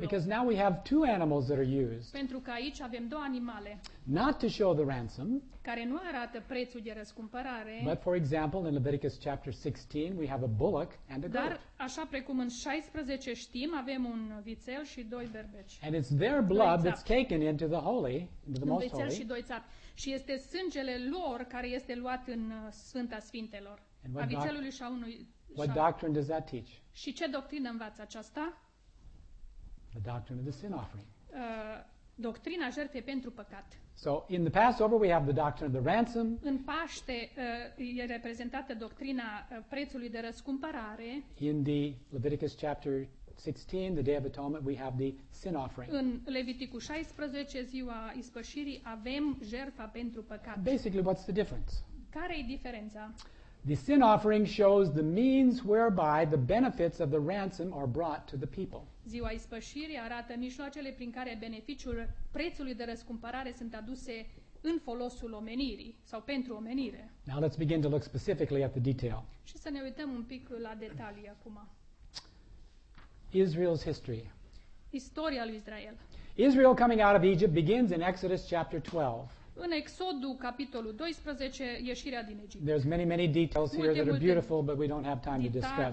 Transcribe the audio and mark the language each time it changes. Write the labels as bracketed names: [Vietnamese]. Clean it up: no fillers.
[English] Because now we have two animals that are used. [Romanian] Pentru că aici avem două animale. [English] Not to show the ransom. [Romanian] Care nu arată prețul de răscumpărare. [English] But for example, in Leviticus chapter 16, we have a bullock and a goat. [Romanian] Dar așa precum în 16 știm, avem un vițel și doi berbeci. [English] And it's their blood that's taken into the holy, into the most holy. [Romanian] Un vițel și doi țapi. Și este sângele lor care este luat în Sfânta Sfintelor. A vițelului și a unui. [English] What doctrine does that teach? [Romanian] Și ce doctrină învață aceasta? [English] The doctrine of the sin offering. [Romanian] Doctrina jertfei pentru păcat. [English] So in the Passover we have the doctrine of the ransom. [Romanian] În Paște e reprezentată doctrina prețului de răscumpărare. [English] In the Leviticus chapter 16, the Day of Atonement, we have the sin offering. [Romanian] În Leviticul 16, ziua ispășirii, avem jertfa pentru păcat. [English] Basically, what's the difference? [Romanian] Care e diferența? [English] The sin offering shows the means whereby the benefits of the ransom are brought to the people. [Romanian] Ziua ispășirii arată mijloacele prin care beneficiul prețului de răscumpărare sunt aduse în folosul omenirii sau pentru omenire. [English] Now let's begin to look specifically at the detail. [Romanian] Și să ne uităm un pic la detalii acum. [English] Israel's history. [Romanian] Istoria lui Israel. [English] Israel coming out of Egypt begins in Exodus chapter 12. [Romanian] În Exodul capitolul 12, ieșirea din Egipt. [English] There's many, many details here that are beautiful, but we don't have time to discuss.